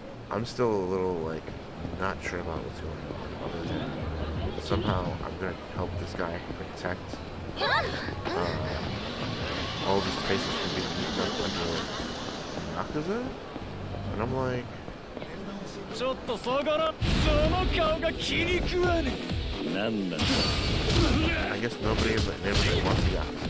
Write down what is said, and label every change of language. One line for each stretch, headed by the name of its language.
English: I'm still a little like not sure about what's going on other than somehow I'm gonna help this guy protect all these places from being beaten up under Yakuza. And I'm like,
Japanese: ちょっと下がら、その顔が気に食わねえ。なんだ。
English: I guess nobody but him but wants to die.